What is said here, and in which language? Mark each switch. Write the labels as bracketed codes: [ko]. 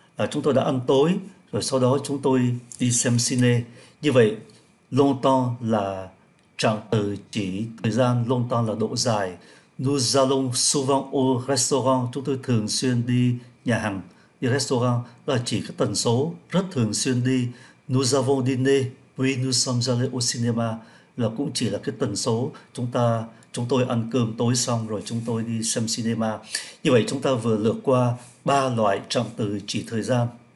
[vi] Chúng tôi đã ăn tối, rồi sau đó chúng tôi đi xem ciné. Như vậy, longtemps là trạng từ chỉ thời gian, longtemps là độ dài. [fr] Nous allons souvent au restaurant. [vi] Chúng tôi thường xuyên đi nhà hàng, đi restaurant là chỉ cái tần số rất thường xuyên đi. [fr] Nous avons dîné, puis nous sommes allés au cinéma [vi] là cũng chỉ là cái tần số chúng tôi ăn cơm tối xong rồi chúng tôi đi xem cinema. Như vậy chúng ta vừa lược qua ba loại trọng từ chỉ thời gian.